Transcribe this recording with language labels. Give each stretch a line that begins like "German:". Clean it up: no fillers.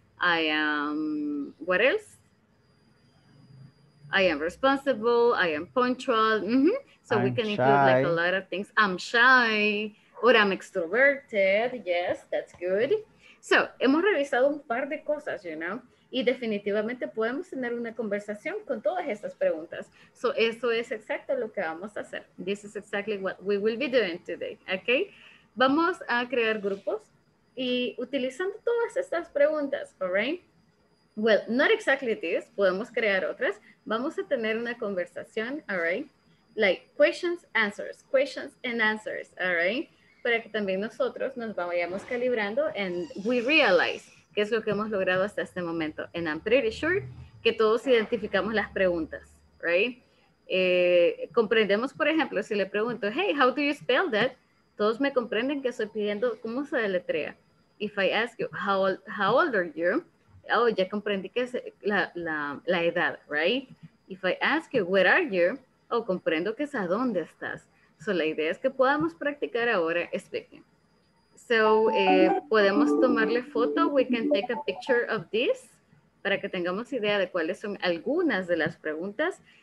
English: I am, what else? I am responsible, I am punctual. Mm-hmm. So I'm we can shy. Include like a lot of things. I'm shy, or I'm extroverted. Yes, that's good. So,
Spanish: hemos revisado un par de cosas,
English: you know,
Spanish: y definitivamente podemos tener una conversación con todas estas preguntas. So, eso es exacto lo que vamos a hacer.
English: This is exactly what we will be doing today, okay?
Spanish: Vamos a crear grupos y utilizando todas estas preguntas,
English: all right? Well, not exactly this,
Spanish: podemos crear otras. Vamos a tener una conversación,
English: all right? Like questions and answers, all right?
Spanish: Para que también nosotros nos vayamos calibrando
English: and we realize
Spanish: qué es lo que hemos logrado hasta este momento.
English: And I'm pretty sure
Spanish: que todos identificamos las preguntas, right? Comprendemos, por ejemplo, si le pregunto,
English: hey, how do you spell that?
Spanish: Todos me comprenden que estoy pidiendo cómo se deletrea.
English: If I ask you, how old are you?
Spanish: Oh, ya comprendí que es la edad, right?
English: If I ask you, where are you? Oh,
Spanish: comprendo que es a dónde estás. So, la idea es que podamos practicar ahora speaking. So, podemos tomarle foto.
English: We can take a picture of this
Spanish: para que tengamos idea de cuáles son algunas de las preguntas.